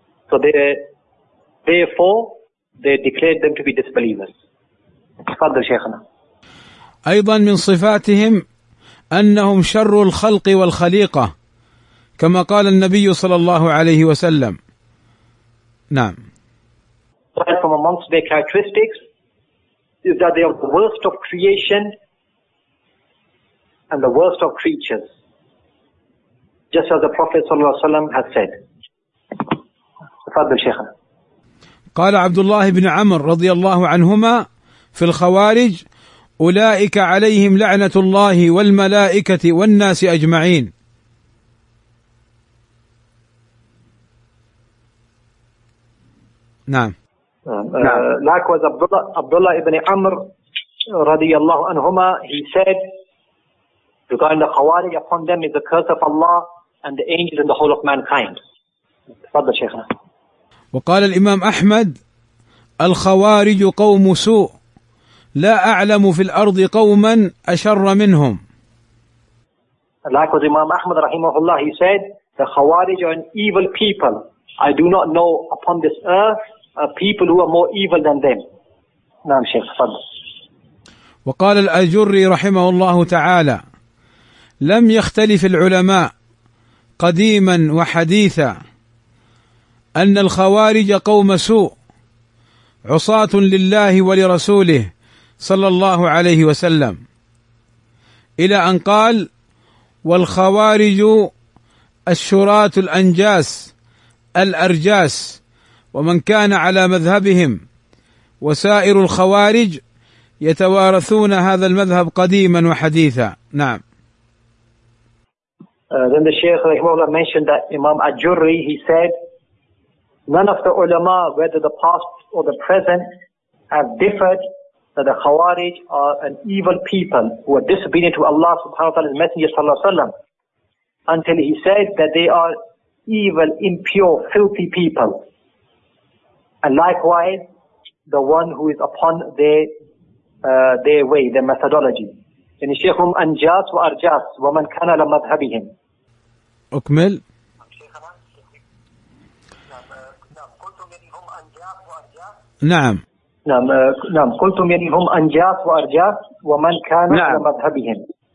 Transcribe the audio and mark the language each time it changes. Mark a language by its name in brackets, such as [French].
[English] So they, therefore, they declared them to be disbelievers. [Arabic] Fadl Shaykhana. أيضا من صفاتهم أنهم شر الخلق والخليقة كما قال النبي صلى الله عليه وسلم. نعم. [English] From amongst their characteristics is that they are the worst of creation and the worst of creatures, just as the Prophet صلى الله عليه وسلم has said. [Arabic] Fadl Shaykhana. قال عبد الله بن عمر رضي الله عنهما في الخوارج: أولئك عليهم لعنة الله والملائكة والناس أجمعين. نعم. [English] Likewise, Abdullah ibn Amr radiyallahu anhuma, he said regarding the Khawarij, upon them is the curse of Allah and the angels and the whole of mankind. [Arabic] Fadda Shaykhna. وقال الإمام أحمد: الخوارج قوم سوء، لا أعلم في الأرض قوما أشر منهم. [English] Likewise, Imam Ahmad rahimahullah, he said, the Khawarij are an evil people. I do not know upon this earth people who are more evil than them. [Arabic] نعم شيخ فضل. وقال الأجري رحمه الله تعالى: لم يختلف العلماء قديما وحديثا أن الخوارج قوم سوء عصاة لله ولرسوله صلى الله عليه وسلم، إلى أن قال: والخوارج الشراة الأنجاس الأرجاس، ومن كان على مذهبهم وسائر الخوارج يتوارثون هذا المذهب قديما وحديثا. نعم. [English] Then the Shaykh Rahimahullah mentioned that Imam Al-Jurri, he said, none of the ulama, whether the past or the present, have differed that the Khawarij are an evil people who are disobedient to Allah subhanahu wa ta'ala and Messenger sallallahu alayhi wa sallam, until he said that they are evil, impure, filthy people. And likewise, the one who is upon their way, their methodology. [Arabic] يعني شيخهم أنجاس وأرجاس ومن كان على مذهبهم. أكمل. نعم. نعم نعم قلتم يعني هم أنجاس وأرجاس ومن كان على مذهبهم.